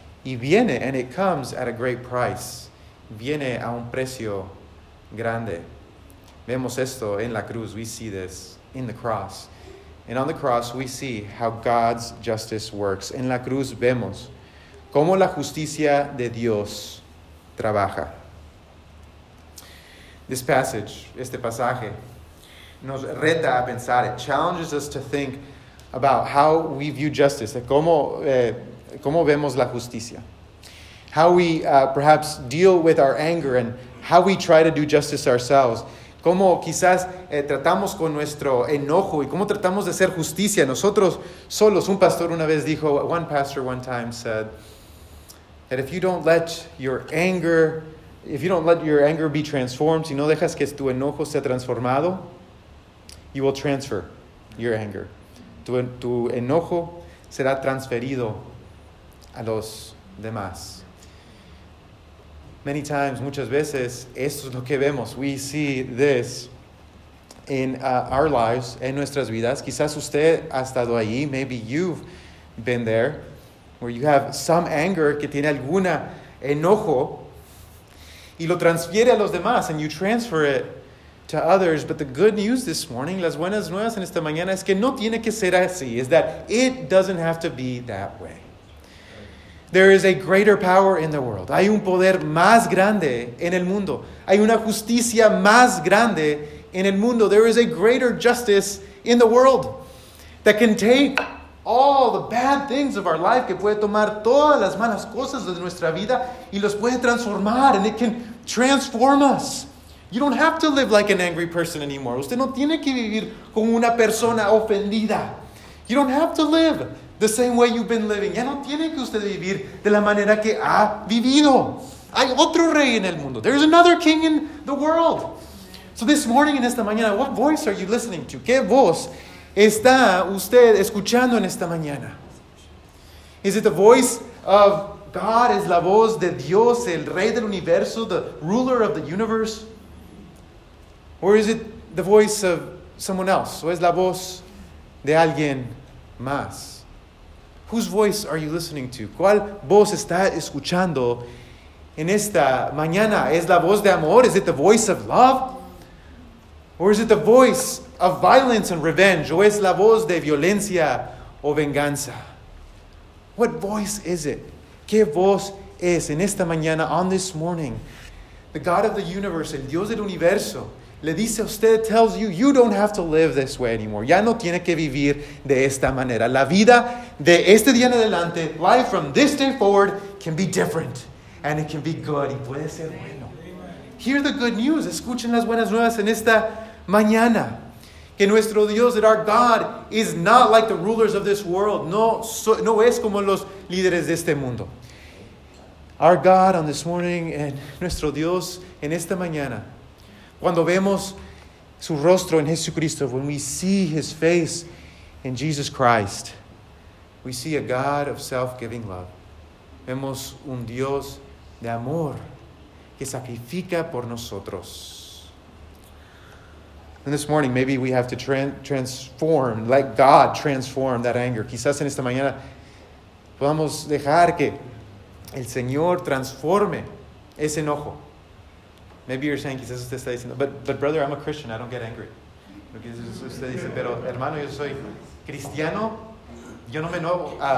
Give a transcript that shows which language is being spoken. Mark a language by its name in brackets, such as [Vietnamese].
[Spanish] Y viene, [English] and it comes at a great price. [Spanish] Viene a un precio grande. Vemos esto en la cruz. [English] We see this in the cross. And on the cross, we see how God's justice works. [Spanish] En la cruz vemos cómo la justicia de Dios trabaja. [English] This passage, [Spanish] este pasaje, nos reta a pensar. [English] It challenges us to think about how we view justice, [Spanish] cómo vemos la justicia. [English] How we perhaps deal with our anger and how we try to do justice ourselves. [Spanish] Cómo quizás tratamos con nuestro enojo y cómo tratamos de hacer justicia nosotros solos. Un pastor una vez dijo, [English] one pastor one time said, that if you don't let your anger be transformed, [Spanish] si no dejas que tu enojo sea transformado, [English] you will transfer your anger. [Spanish] Tu enojo será transferido a los demás. [English] Many times, [Spanish] muchas veces, esto es lo que vemos. [English] We see this in our lives, [Spanish] en nuestras vidas. Quizás usted ha estado ahí. [English] Maybe you've been there, where you have some anger, [Spanish] que tiene alguna enojo, y lo transfiere a los demás, [English] and you transfer it to others. But the good news this morning, [Spanish] las buenas nuevas en esta mañana, es que no tiene que ser así. [English] Is that it doesn't have to be that way. There is a greater power in the world. [Spanish] Hay un poder más grande en el mundo. Hay una justicia más grande en el mundo. [English] There is a greater justice in the world that can take all the bad things of our life, [Spanish] que puede tomar todas las malas cosas de nuestra vida y los puede transformar, [English] and it can transform us. You don't have to live like an angry person anymore. [Spanish] Usted no tiene que vivir como una persona ofendida. [English] You don't have to live the same way you've been living. [Spanish] Ya no tiene que usted vivir de la manera que ha vivido. Hay otro rey en el mundo. [English] There's another king in the world. So this morning, [Spanish] en esta mañana, [English] what voice are you listening to? [Spanish] ¿Qué voz está usted escuchando en esta mañana? [English] Is it the voice of God? [Spanish] ¿Es la voz de Dios, el rey del universo, [English] the ruler of the universe? Or is it the voice of someone else? [Spanish] ¿O es la voz de alguien más? [English] Whose voice are you listening to? [Spanish] ¿Cuál voz está escuchando en esta mañana? ¿Es la voz de amor? [English] Is it the voice of love? Or is it the voice of violence and revenge? [Spanish] ¿O es la voz de violencia o venganza? [English] What voice is it? [Spanish] ¿Qué voz es en esta mañana, [English] on this morning? The God of the universe, [Spanish] el Dios del universo, le dice a usted, [English] tells you, you don't have to live this way anymore. [Spanish] Ya no tiene que vivir de esta manera. La vida de este día en adelante, [English] life from this day forward, can be different. And it can be good. [Spanish] Y puede ser bueno. [English] Hear the good news. [Spanish] Escuchen las buenas nuevas en esta mañana. Que nuestro Dios, [English] that our God, is not like the rulers of this world. [Spanish] No es como los líderes de este mundo. [English] Our God on this morning, and [Spanish] nuestro Dios en esta mañana, cuando vemos su rostro en Jesucristo, [English] when we see his face in Jesus Christ, we see a God of self-giving love. [Spanish] Vemos un Dios de amor que sacrifica por nosotros. [English] And this morning, maybe we have to transform, let God transform that anger. [Spanish] Quizás en esta mañana podamos dejar que el Señor transforme ese enojo. [English] Maybe you're saying, [Spanish] quizás usted está diciendo, [English] but brother, I'm a Christian, I don't get angry. [Spanish] Quizás usted dice, pero hermano, yo soy cristiano, yo no me enojo.